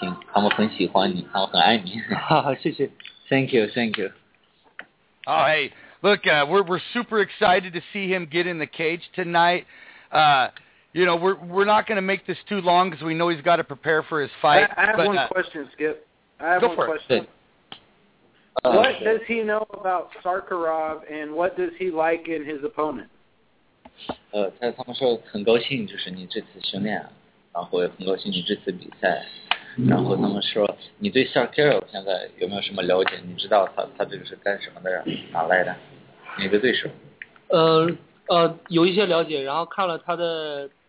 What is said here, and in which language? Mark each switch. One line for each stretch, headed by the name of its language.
Chinese: 反正对他们来说，你是个明星，他们很喜欢你，他们很爱你。好，谢谢。
English: Thank you. Oh, hey, look, we're super excited to see him get in the cage tonight. You know, we're not going to make this too long because we know he's got to prepare for his fight. I have one question, Skip. What does he know about Sarkarov, and what does he like in his opponent?
Chinese: 他们说很高兴，就是你这次训练，然后也很高兴你这次比赛，然后他们说你对 Sarkarov 现在有没有什么了解？你知道他这个是干什么的，哪来的，你的对手？有一些了解，然后看了他的。